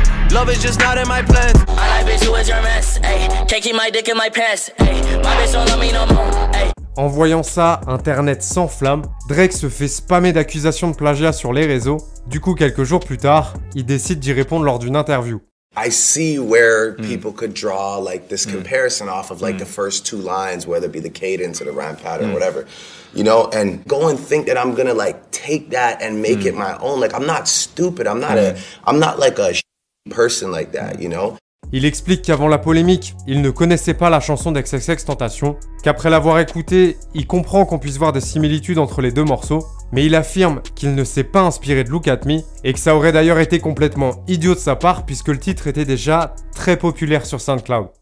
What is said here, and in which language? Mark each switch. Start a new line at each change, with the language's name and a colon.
English: Love is just not in my plans. I like bitch who is your mess. Ayy, can't keep my dick in my pants. Ayy, my bitch don't love me no more. Ayy.
French: En voyant ça, internet s'enflamme, Drake se fait spammer d'accusations de plagiat sur les réseaux. Du coup, quelques jours plus tard, il décide d'y répondre lors d'une interview.
English: I see where people could draw like this comparison off of like the first two lines, whether it be the cadence or the rhyme pattern or whatever. You know, and go and think that I'm gonna like take that and make it my own. Like, I'm not stupid. I'm not I'm not like a person like that, you know?
French: Il explique qu'avant la polémique, il ne connaissait pas la chanson d'XXXTentacion, qu'après l'avoir écoutée, il comprend qu'on puisse voir des similitudes entre les deux morceaux, mais il affirme qu'il ne s'est pas inspiré de Look At Me, et que ça aurait d'ailleurs été complètement idiot de sa part puisque le titre était déjà très populaire sur SoundCloud.